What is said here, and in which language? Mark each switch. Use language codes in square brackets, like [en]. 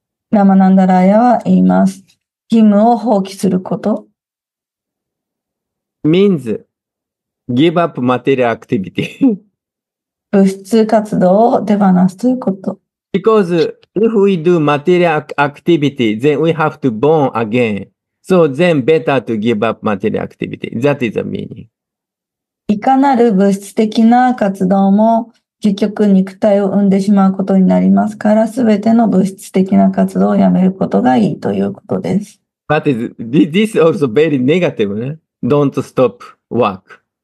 [ja] ラマナンダライアは言います。義務を放棄すること。 [en] means give up material activity. [ja] 物質活動を手放すということ。 [en] Because if we do material activity, then we have to born again. So then better to give up material activity. That is the meaning. [ja] いかなる物質的な活動も結局肉体を生んでしまうことになりますから、すべての物質的な活動をやめることがいいということです。 [en] But this is also very negative, ね?Don't stop work.